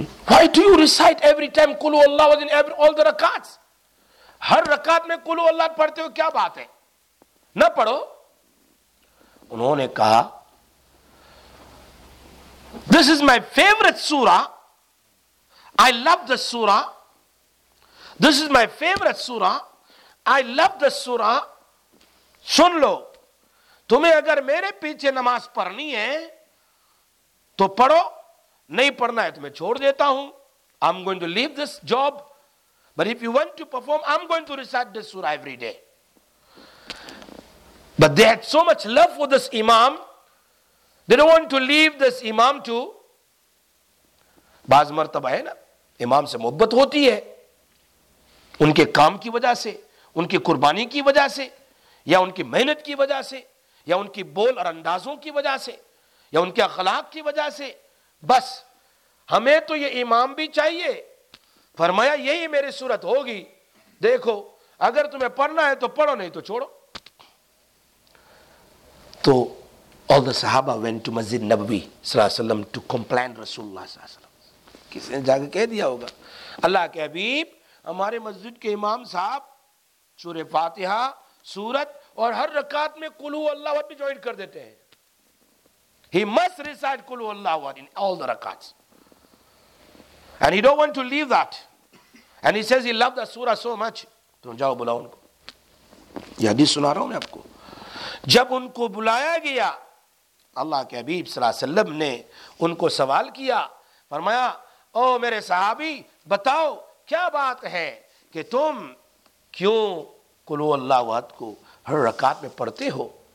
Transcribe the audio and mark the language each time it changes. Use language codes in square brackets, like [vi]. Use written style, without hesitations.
[en] Why do you recite every time قُلُوا اللَّهُ وَذِنْ all the rakats? [ur] ہر رکعت میں قُلُوا اللَّهُ پڑھتے ہو, کیا بات ہے, نہ پڑھو. انہوں نے کہا [en] This is my favorite surah. I love the surah. This is my favorite surah. I love the surah. [ur] سن لو, تمہیں اگر میرے پیچھے نماز پڑھنی ہے تو پڑھو, نہیں پڑھنا ہے تو میں چھوڑ دیتا ہوں. [en] I'm going to leave this job. But if you want to perform, I'm going to recite this surah every day. But they had so much love for this imam, they don't want to leave this imam too. [ur] بعض مرتبہ ہے نا, امام سے محبت ہوتی ہے ان کے کام کی وجہ سے, ان کی قربانی کی وجہ سے, یا ان کی محنت کی وجہ سے, یا ان کی بول اور اندازوں کی وجہ سے, یا ان کے اخلاق کی وجہ سے. بس ہمیں تو یہ امام بھی چاہیے. فرمایا یہی میری صورت ہوگی, دیکھو اگر تمہیں پڑھنا ہے تو پڑھو, نہیں تو چھوڑو. [en] تو all the صحابہ went to Masjid Nabawi صلی اللہ علیہ وسلم to complain رسول اللہ صلی اللہ علیہ وسلم. [ur] کسی نے جا کے کہہ دیا ہوگا, اللہ کے حبیب ہمارے مسجد کے امام صاحب سورہ فاتحہ, سورت اور ہر رکعت میں قلو اللہ بھی جوائن کر دیتے ہیں. [en] He must recite قلو اللہ in all the rakats. And he don't want to leave that. And he says he loved the surah so much. [ur] تم جاؤ بلاؤ ان کو. یہ حدیث سنا رہا ہوں میں آپ کو. جب ان کو بلایا گیا, اللہ کے حبیب صلی اللہ علیہ وسلم نے ان کو سوال کیا, فرمایا او میرے صحابی بتاؤ کیا بات ہے کہ تم کیوں قلو اللہ وحد کو ہر رکعت میں پڑھتے ہو.